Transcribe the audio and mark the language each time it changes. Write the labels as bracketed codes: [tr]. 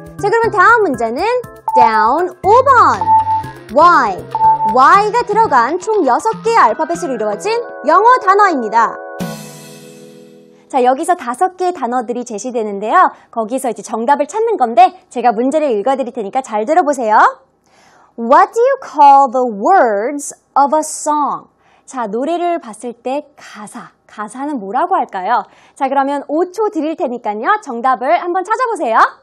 [ko] 자, 그러면 다음 문제는 down 5번. Y. Y가 들어간 총 6개의 알파벳으로 이루어진 영어 단어입니다. 자, 여기서 5개의 단어들이 제시되는데요. 거기서 이제 정답을 찾는 건데 제가 문제를 읽어드릴 테니까 잘 들어보세요. [en] What do you call the words of a song? [ko] 자, 노래를 봤을 때 가사. 가사는 뭐라고 할까요? 자, 그러면 5초 드릴 테니까요. 정답을 한번 찾아보세요.